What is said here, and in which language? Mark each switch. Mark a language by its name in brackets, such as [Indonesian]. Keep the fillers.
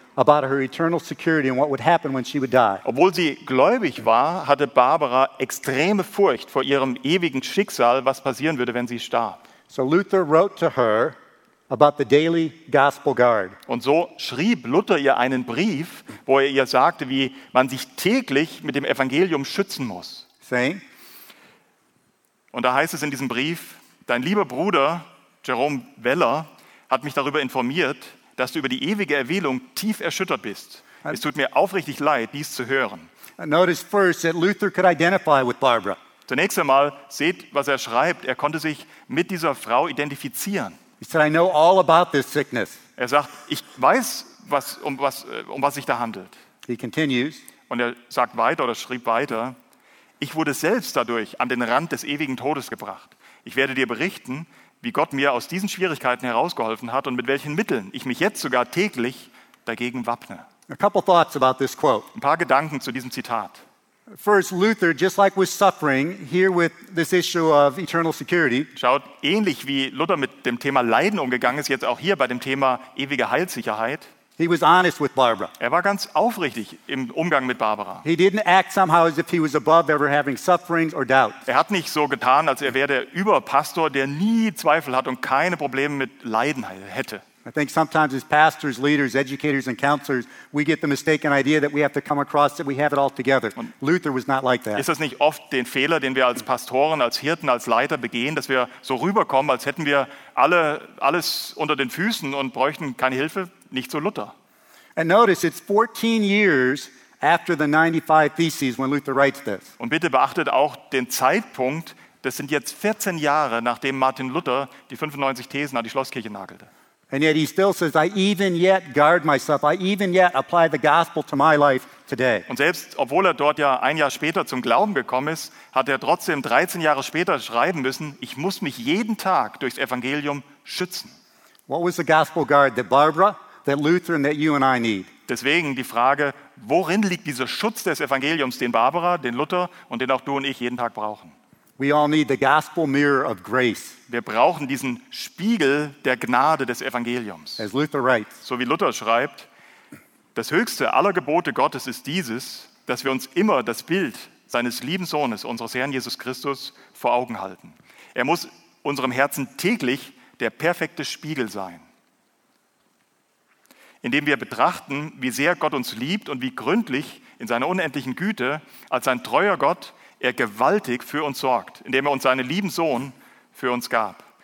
[German] Obwohl sie gläubig war, hatte Barbara extreme Furcht vor ihrem ewigen Schicksal, was passieren würde, wenn sie starb. [English] So Luther wrote to her about the daily gospel guard. [German] Und so schrieb Luther ihr einen Brief, wo er ihr sagte, wie man sich täglich mit dem Evangelium schützen muss. Und da heißt es in diesem Brief, dein lieber Bruder Jerome Weller hat mich darüber informiert, dass du über die ewige Erwählung tief erschüttert bist. Es tut mir aufrichtig leid, dies zu hören. [English] First that Luther could identify with Barbara. [German] Zunächst einmal seht, was er schreibt. Er konnte sich mit dieser Frau identifizieren. [English] He said, I know all about this sickness. [German] Er sagt, ich weiß, was, um, was, um was sich da handelt. [English] He continues. [German] Und er sagt weiter oder schrieb weiter, ich wurde selbst dadurch an den Rand des ewigen Todes gebracht. Ich werde dir berichten, wie Gott mir aus diesen Schwierigkeiten herausgeholfen hat und mit welchen Mitteln ich mich jetzt sogar täglich dagegen wappne. Ein paar Gedanken zu diesem Zitat. [English] First, Luther, like [German] Schaut, ähnlich wie Luther mit dem Thema Leiden umgegangen ist, jetzt auch hier bei dem Thema ewige Heilsicherheit. [English] He was honest with Barbara. [German] Er war ganz aufrichtig im Umgang mit Barbara. Er hat nicht so getan, als er wäre der Überpastor, der nie Zweifel hat und keine Probleme mit Leiden hätte. [English] I think sometimes as pastors, leaders, educators, and counselors, we get the mistaken idea that we have to come across that we have it all together. Luther was not like that. [German] Ist das nicht oft den Fehler, den wir als Pastoren, als Hirten, als Leiter begehen, dass wir so rüberkommen, als hätten wir alle alles unter den Füßen und bräuchten keine Hilfe? Nicht so Luther. Und bitte beachtet auch den Zeitpunkt. Das sind jetzt 14 Jahre nachdem Martin Luther die 95 Thesen an die Schlosskirche nagelte. Und selbst, obwohl er dort ja ein Jahr später zum Glauben gekommen ist, hat er trotzdem 13 Jahre später schreiben müssen, ich muss mich jeden Tag durchs Evangelium schützen. [English] What was the gospel guard that Barbara, that Luther and that you and I need? [German] Deswegen die Frage, worin liegt dieser Schutz des Evangeliums, den Barbara, den Luther und den auch du und ich jeden Tag brauchen? [English] We all need the gospel mirror of grace. [German] Wir brauchen diesen Spiegel der Gnade des Evangeliums. [English] As Luther writes, [German] so wie Luther schreibt, das höchste aller Gebote Gottes ist dieses, dass wir uns immer das Bild seines lieben Sohnes, unseres Herrn Jesus Christus, vor Augen halten. Er muss unserem Herzen täglich der perfekte Spiegel sein, indem wir betrachten, wie sehr Gott uns liebt und wie gründlich in seiner unendlichen Güte als sein treuer Gott er gewaltig für uns sorgt, indem er uns seinen lieben Sohn für uns gab.